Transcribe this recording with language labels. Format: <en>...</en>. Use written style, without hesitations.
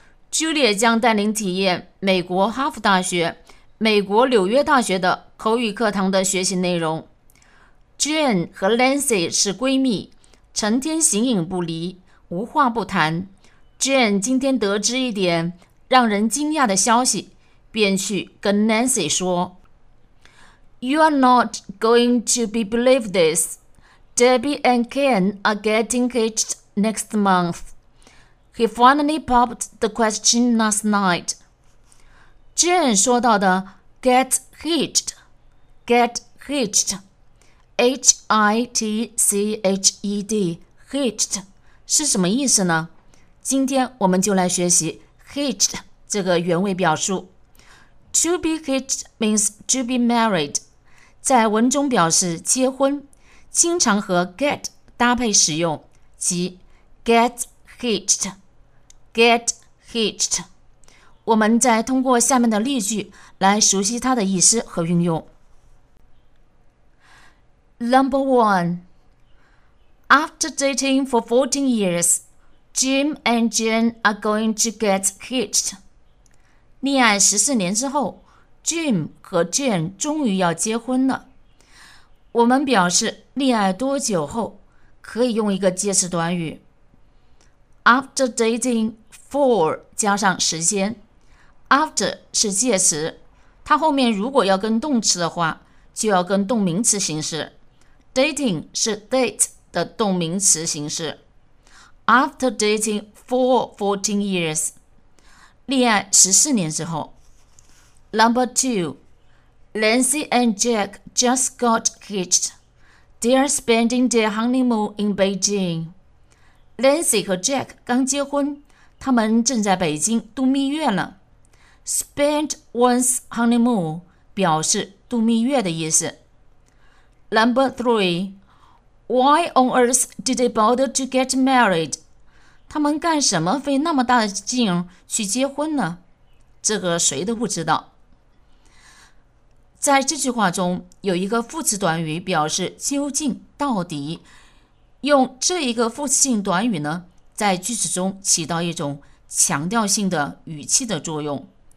<zh>Julia 将带领体验美国哈佛大学、美国纽约大学的口语课堂的学习内容。 Jane 和 Lancy 是闺蜜，成天形影不离，无话不谈。 Jane 今天得知一点让人惊讶的消息，便去跟 Nancy 说。</zh> <en>You are not going to be believe this. Debbie and Ken are getting hitched next month. He finally popped the question last night. Jane</en> <zh>说到的</zh> <en>get hitched, H-I-T-C-H-E-D, hitched,</en> <zh>是什么意思呢？今天我们就来学习 hitched 这个原味表述。</zh> <en>To be hitched means to be married.</en> <zh>在文中表示结婚，经常和 get 搭配使用，即 get hitched。我们再通过下面的例句来熟悉它的意思和运用。</zh> <en>Number one, after dating for 14 years, Jim and Jane are going to get hitched.</en> <zh>恋爱14年之后，Jim 和 Jane 终于要结婚了。我们表示恋爱多久后，可以用一个介词短语</zh> <en>After dating for</en> <zh>加上时间。 After 是介词，它后面如果要跟动词的话，就要跟动名词形式。 Dating 是 date 的动名词形式。</zh> <en>After dating for 14 years</en> <zh>恋爱14年之后。</zh> <en>Number two, Lancy and Jack just got hitched. They are spending their honeymoon in Beijing.</en> <zh>Lancy 和 Jack 刚结婚，他们正在北京度蜜月了。</zh> <en>Spend one's honeymoon</en> <zh>表示度蜜月的意思。</zh> <en>Number three, why on earth did they bother to get married?</en> <zh>他们干什么费那么大的劲去结婚呢？这个谁都不知道。在这句话中有一个副词短语表示究竟到底，用这一个副词性短语呢，在句子中起到一种强调性的语气的作用。</zh>